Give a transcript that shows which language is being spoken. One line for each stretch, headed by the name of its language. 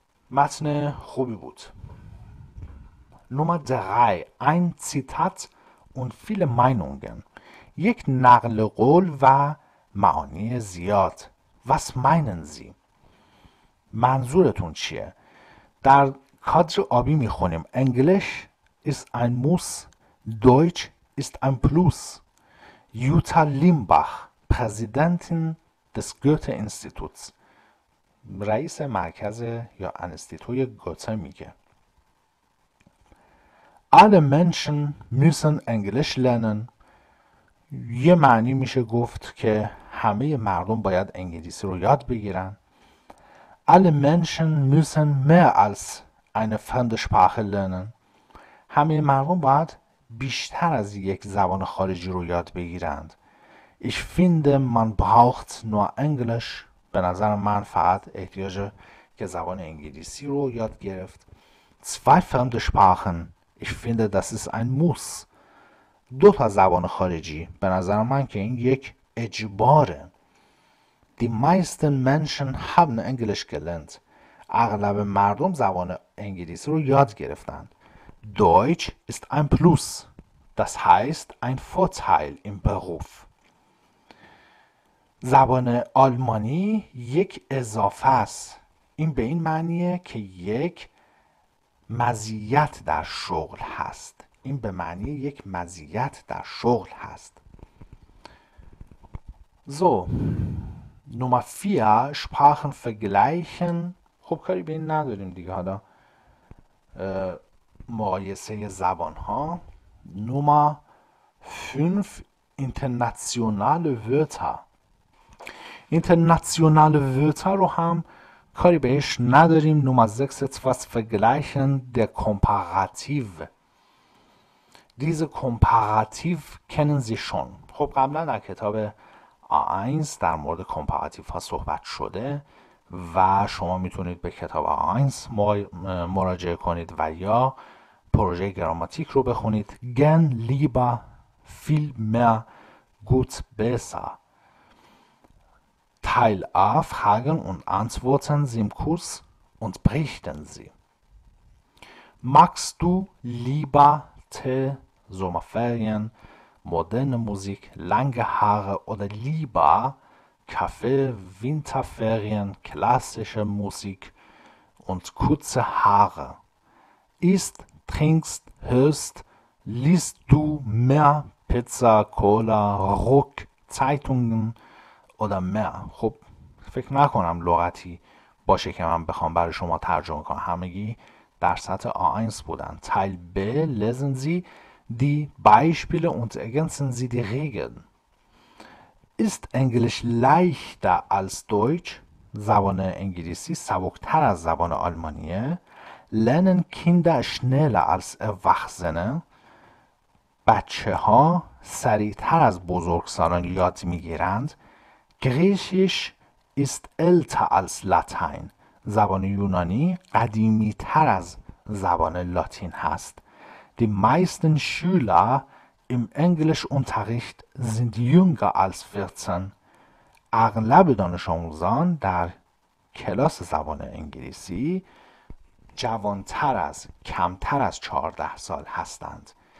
Persian: متن خوبی بود. نمبر 3، این سیتات
German: und viele Meinungen.
Persian: یک نقل قول و معانی زیاد.
German: Was meinen Sie؟
Persian: منظورتون چیه؟ در کادر آبی میخونیم
German: English is ein Muss, Deutsch ist ein Plus. Jutta Limbach, Präsidentin des Goethe-Instituts.
Persian: رئیس مرکز یا انستیتوی گوته میگه.
German: Alle Menschen müssen Englisch lernen.
Persian: یه معنی میشه گفت که همه مردم باید انگلیسی رو یاد بگیرن.
German: Alle Menschen müssen mehr als eine Fremdsprache lernen.
Persian: همه مردم باید بیشتر از یک زبان خارجی رو یاد بگیرند.
German: Ich finde, man braucht nur Englisch.
Persian: به نظر من فقط احتیاج که زبان انگلیسی رو یاد گرفت.
German: Zwei Fremdsprachen. Ich finde, das ist ein Muss.
Persian: دو تا زبان خارجی به نظر من که این یک اجباره.
German: Die meisten Menschen haben Englisch gelernt.
Persian: اغلب مردم زبان انگلیسی رو یاد گرفتند.
German: Deutsch ist ein Plus. Das heißt ein Vorteil im Beruf.
Persian: زبان آلمانی یک اضافه است. این به این معنیه که یک مزیت در شغل هست. این به معنی یک مزیت در شغل هست.
German: So. Nummer 4. Sprachen vergleichen.
Persian: خب کاری به این نداریم دیگه حالا. مقایسه زبان ها.
German: Nummer 5. Internationale Wörter. Internationale Wörter
Persian: رو هم کاری بهش نداریم.
German: نمبر 6 etwas vergleichen der Komparativ. Diese Komparativ kennen Sie schon.
Persian: خب قبلا در کتاب A1 در مورد کمپاراتیو ها صحبت شده و شما میتونید به کتاب A1 مراجعه کنید و یا پروژه گراماتیک رو بخونید.
German: Gern, lieber, viel mehr, gut, besser. Teil A, Fragen und Antworten Sie im Kurs und berichten Sie. Magst du lieber Tee, Sommerferien, moderne Musik, lange Haare oder lieber Kaffee, Winterferien, klassische Musik und kurze Haare. Isst, trinkst, hörst, liest du mehr Pizza, Cola, Ruck, Zeitungen oder mehr?
Persian: خب فکر نکنم لغتی باشه که من بخوام برای شما ترجمه کنم. همگی در سطح A1 بودن.
German: Teil B, lesen Sie die Beispiele und ergänzen Sie die Regeln. Ist Englisch leichter als Deutsch?
Persian: زبان انگلیسی سبکتر از زبان آلمانیه؟
German: Lernen Kinder schneller als Erwachsene?
Persian: بچه ها سریع تر از بزرگسالان یاد می گیرند؟
German: Griechisch ist älter als Latein.
Persian: زبان یونانی قدیمی تر از زبان لاتین هست.
German: Die meisten Schüler im Englischunterricht sind jünger als 14.
Persian: اغلب دانش آموزان در کلاس زبان انگلیسی جوانتر از کمتر از 14 سال هستند.